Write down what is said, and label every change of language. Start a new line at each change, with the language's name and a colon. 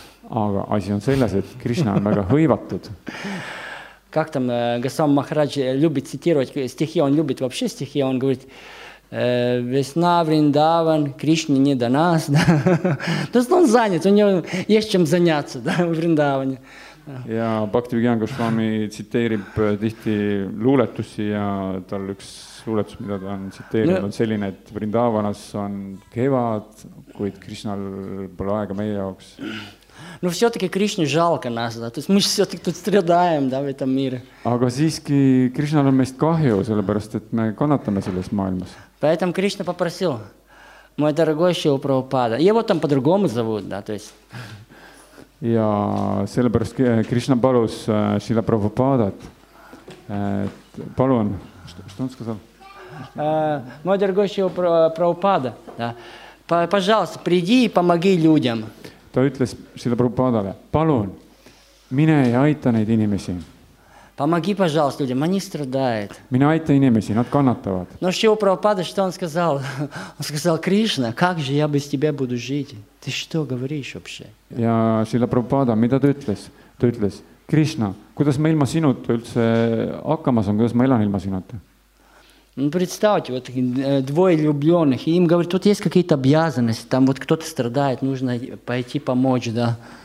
Estonian: Aga asi on selles, et Кришна on väga hõivatud.
Russian: Как там Госвами Махарадж любит цитировать стихи, он любит вообще стихи, он говорит: весна, Вриндаван, Кришне не до нас. То есть он занят, у него есть чем заняться, да, в Вриндаване.
Estonian: Ja Bhaktivedanta Goswami tsiteerib tihti luuletusi ja tal üks luuletus, mida ta on tsiteerinud, on selline, et Vrindavanas on kevad, kuid Krishnal pole aega meie jaoks.
Russian: Но все-таки Кришне жалко нас, да, то есть мы все-таки тут страдаем, да, в этом мире.
Estonian: Aga siiski Кришнал on meist kahju, sellepärast, et me kannatame selles maailmas.
Russian: Поэтому Кришна попросил, мой дорогой Шрила Прабхупада, его там по-другому зовут, да, то есть.
Estonian: Ja sellepärast Кришна palus Шрила Прабхупадат, palun,
Russian: что он сказал? Мой дорогой Шрила Прабхупада, да, пожалуйста, приди и помоги людям.
Estonian: Ta ütles Шриле Прабхупадале, palun, mine ja aita neid inimesi.
Russian: Помоги, пожалуйста, людям, они страдают.
Estonian: Mine aita inimesi, nad kannatavad.
Russian: Но Шриле Прабхупада, что он сказал? Он сказал, Кришна, как же я без тебя буду жить? Ты что говоришь вообще?
Estonian: Ja Шриле Прабхупада, mida ta ütles? Ta ütles, Krishna, kuidas ma ilma sinuta üldse hakkama saan, kuidas ma elan ilma sinuta?
Russian: Ну, представьте, вот двое влюбленных, и им говорят, тут есть какие-то обязанности, там вот кто-то страдает, нужно пойти помочь, да.